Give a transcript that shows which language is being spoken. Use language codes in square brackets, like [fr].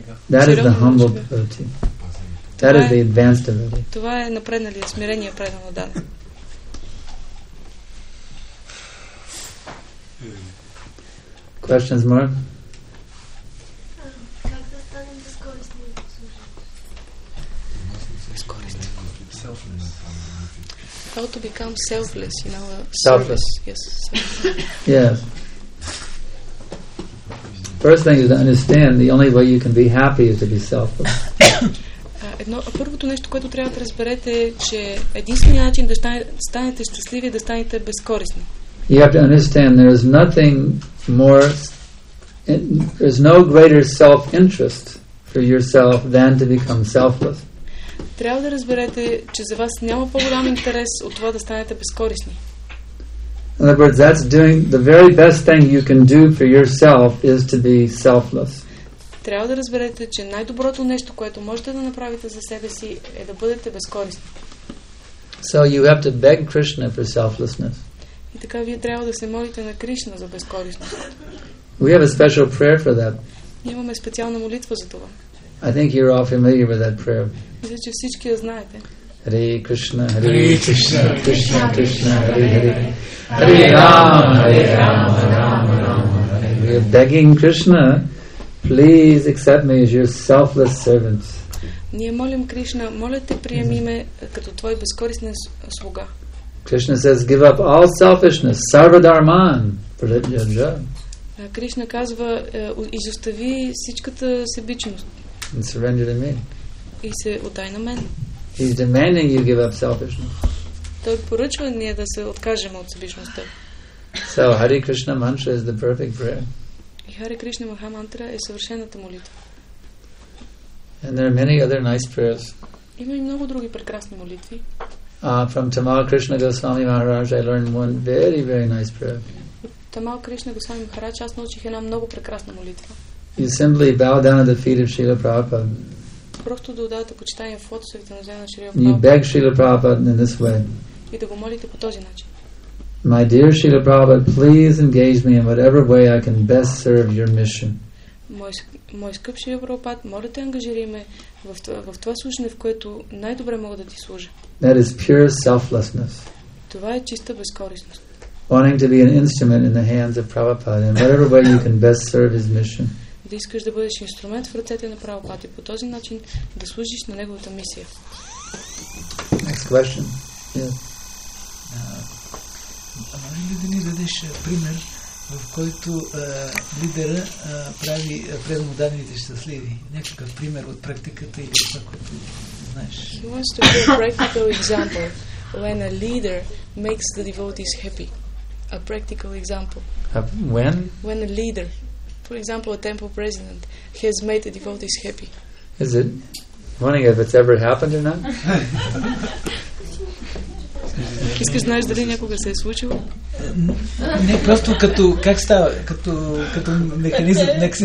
[en] That is the humble devotee. That is the advanced devotee. [bg] Това е напреднали, смирение предано даден. [en] Questions more? [bg] Как да станем безкористни? Безкористни. [en] How to become selfless, you know? Selfless. Yes. Yes. First thing is to understand the only way you can be happy is to be selfless. [bg] Първото нещо, което трябва да разберете е, че единственият начин да станете щастливи е да станете безкорисни. [en] You have to understand there is nothing more, there is no greater self-interest for yourself than to become selfless. [bg] Трябва да разберете, че за вас няма по-голям интерес от това да станете безкорисни. [en] In other words, that's doing the very best thing you can do for yourself is to be selfless. [bg] Трябва да разберете, че най-доброто нещо, което можете да направите за себе си, е да бъдете безкорисни. [en] So you have to beg Krishna for selflessness. [bg] И така вие трябва да се молите на Кришна за безкорисност. [en] We have a special prayer for that. [bg] Имаме специална молитва за това. [en] I think you're all familiar with that prayer. [bg] Мисля, че всички я знаете. [sa] Hare Krishna, Hare Krishna, Krishna Krishna, Hare Hare, Hare Rama, Hare Rama, Rama Rama, Hare. [en] We are begging Krishna, please accept me as your selfless servant. [bg] Ние молим Кришна, моля те приеми ме като твой безкорисен слуга. [en] Krishna says, give up all selfishness, [sa] sarva dharman. Праджаджа. [bg] Кришна казва, изостави всичката себичност. [en] And surrender to me. [bg] И се отдай на мен. [en] He's demanding you give up selfishness. [bg] Той поръчва ние да се откажем от себичността. [en] So, Hare Krishna mantra is the perfect prayer. [bg] И Hare Krishna Maha mantra е съвършената молитва. [en] And there are many other nice prayers. [bg] Има и много други прекрасни молитви. [en] From Tamal Krishna Goswami Maharaj, I learned one very, very nice prayer. [bg] Тамал Кришна Госвами Махарадж, аз научих една много прекрасна молитва. [en] You simply bow down at the feet of Srila Prabhupada. [bg] Просто да отдавате почитание в лотосовите на Шрила Прабхупада. [en] You beg Srila Prabhupada in this way. [bg] И да го молите по този начин. [en] My dear Srila Prabhupada, please engage me in whatever way I can best serve your mission. [bg] Мой скъп Шрила Прабхупад, моля те, ангажирай ме в това служене, в което най-добре мога да ти служа. [en] That is pure selflessness. [bg] Това е чиста безкористност. [en] Wanting to be an instrument in the hands of Prabhupada in whatever way you can best serve his mission. [bg] Да искаш да бъдеш инструмент в ръцете на Прабхупад и по този начин да служиш на неговата мисия. [en] Next question. Yeah. [bg] Може ли да ни дадеш пример, в който лидера прави предмоданите щастливи? Някакъв пример от практиката или това, което знаеш? [en] He wants to be a practical example when a leader makes the devotees happy. A practical example. When? When a leader, for example, a temple president, has made the devotees happy. Is it? Wondering if it's ever happened or not? [bg] Искаш знаеш дали някога се е случило? Не, просто като, как става, като механизъм, нека си...